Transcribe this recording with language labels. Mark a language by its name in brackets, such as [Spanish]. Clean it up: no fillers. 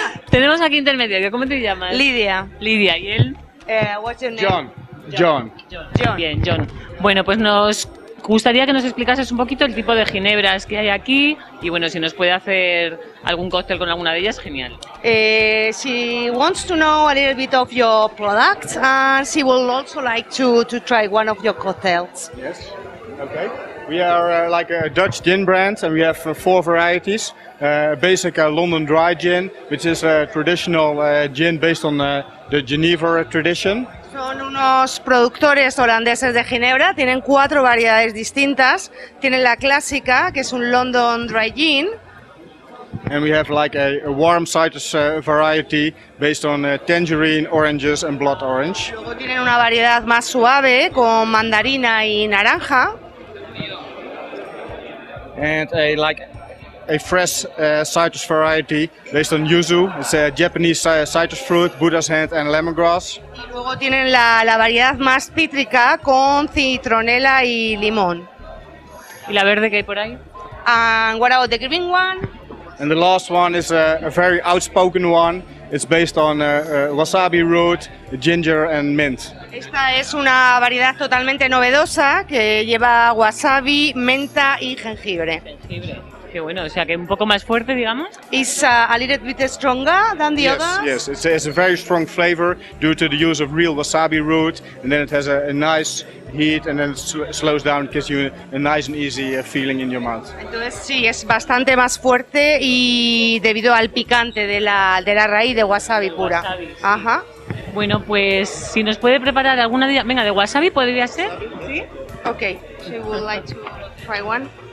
[Spanish] tenemos aquí intermedio. ¿Cómo te llamas? Lidia. Lidia. ¿Y él? [English] What's your name? John. [Spanish] Bien, John. Bueno, pues nos gustaría que nos explicases un poquito el tipo de ginebras que hay aquí y bueno, si nos puede hacer algún cóctel con alguna de ellas, genial. [English] She wants to know a little bit of your products and she will also like to try one of your cocktails. Yes, okay. We are like a Dutch gin brand and we have four varieties. Basic London Dry Gin, which is a traditional gin based on the Geneva tradition. [Spanish] Son unos productores holandeses de ginebra, tienen cuatro variedades distintas. Tienen la clásica, que es un London Dry Gin. [English] And we have like a warm citrus variety based on tangerine, oranges and blood orange. [Spanish] Luego tienen una variedad más suave con mandarina y naranja. [English] And a fresh citrus variety based on yuzu. It's a Japanese citrus fruit, Buddha's hand and lemongrass. [Spanish] Y luego tienen la variedad más cítrica con citronela y limón. ¿Y la verde que hay por ahí? [English] And what about the green one? And the last one is a very outspoken one. It's based on wasabi root, ginger and mint. [Spanish] Esta es una variedad totalmente novedosa que lleva wasabi, menta y jengibre. Qué bueno, o sea que un poco más fuerte, digamos. [English] Is a little bit stronger than the others. Yes, it's a very strong flavor due to the use of real wasabi root, and then it has a nice heat, and then it slows down, gives you a nice and easy feeling in your mouth. [Spanish] Entonces sí, es bastante más fuerte y debido al picante de la raíz de wasabi pura. Ajá. Bueno, pues si nos puede preparar alguna de wasabi podría ser. Sí. [English] Okay. She would like to try one.